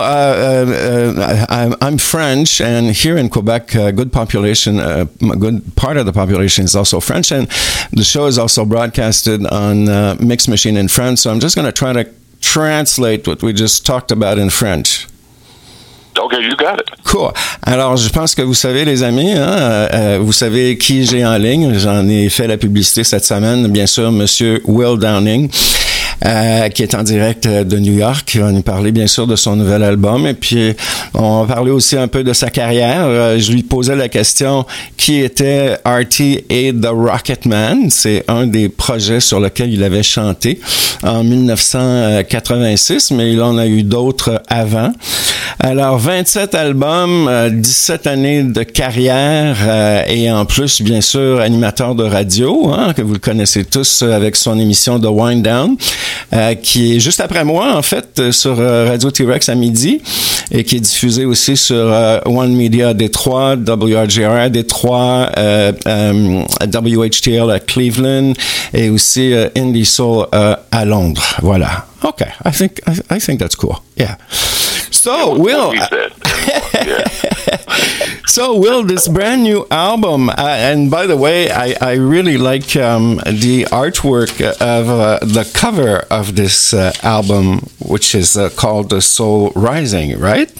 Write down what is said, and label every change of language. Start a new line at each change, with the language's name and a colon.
English: I'm French, and here in Quebec, good part of the population is also French, and the show is also broadcasted on Mix Machine in France. So I'm just gonna try to translate what we just talked about in French. OK, you got it. Cool.
French: Alors, je pense que vous savez, les amis, hein, vous savez qui j'ai en ligne. J'en ai fait la publicité cette semaine, bien sûr, Monsieur Will Downing, qui est en direct de New York, qui va nous parler, bien sûr, de son nouvel album. Et puis, on va parler aussi un peu de sa carrière. Je lui posais la question, qui était RT et The Rocketman? C'est un des projets sur lequel il avait chanté en 1986, mais il en a eu d'autres avant. Alors, 27 albums, 17 années de carrière, et en plus, bien sûr, animateur de radio, hein, que vous le connaissez tous avec son émission The Wind Down. qui est juste après moi, en fait, sur Radio T-Rex à midi, et qui est diffusé aussi sur One Media Détroit, WRGR Détroit, WHTL à Cleveland, et aussi Indie Soul à Londres.
English: Voilà. OK. I think that's cool. Yeah. So, Will, this brand new album, and by the way, I really like the artwork of the cover of this album, which is called The Soul Rising, right?